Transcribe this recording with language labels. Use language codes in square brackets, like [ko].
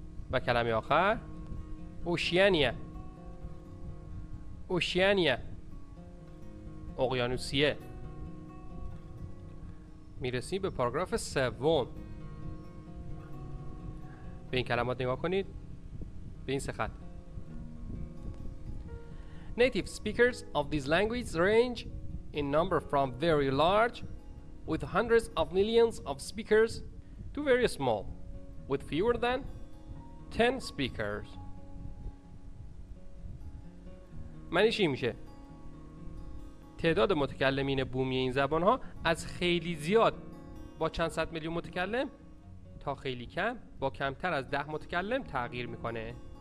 [fa] و کلمه آخر اوشیانیا. اوشیانیا اقیانوسیه. میرسیم به پاراگراف سوم. به این کلمات نگاه کنید، به این سه خط. [en] Native speakers of these languages range in number from very large with hundreds of millions of speakers to very small with fewer than 10 speakers. [fa] معنیش این میشه تعداد متکلمین بومی این زبان ها از خیلی زیاد با چند صد میلیون متکلم تا خیلی کم با کمتر از 10 متکلم تغییر میکنه.